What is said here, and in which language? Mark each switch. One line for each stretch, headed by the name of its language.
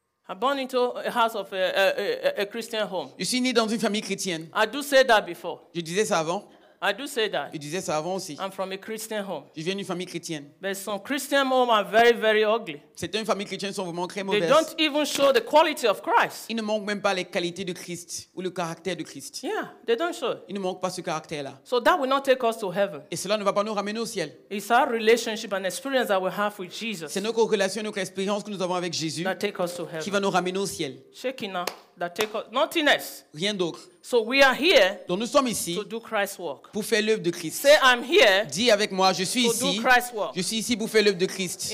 English: I'm born into a house of a Christian home.
French: Je suis né dans une famille chrétienne.
English: I do say that before.
French: Je disais ça avant.
English: I do say that.
French: Je disais ça avant aussi.
English: I'm from a Christian home.
French: Je viens d'une famille chrétienne.
English: But some Christian homes are very, very ugly.
French: Certaines familles chrétiennes sont vraiment très mauvaises.
English: They don't even show the quality of Christ.
French: Ils ne montrent même pas les qualités de Christ ou le caractère de Christ.
English: Yeah, they don't show.
French: Ils ne montrent pas ce caractère-là.
English: So that will not take us to heaven.
French: Et cela ne va pas nous ramener au ciel.
English: It's our relationship and experience that we have with Jesus.
French: C'est notre relation, notre expérience que nous avons avec Jésus
English: that take us to heaven.
French: Qui va nous ramener au ciel.
English: Shekinah. That take us, nothing else.
French: Rien d'autre.
English: So we are here.
French: Donc nous sommes ici
English: to do Christ's work.
French: Pour faire l'œuvre de Christ.
English: Say I'm here.
French: Dis avec moi, je suis ici.
English: To do Christ's work.
French: Je suis ici pour faire l'œuvre de Christ.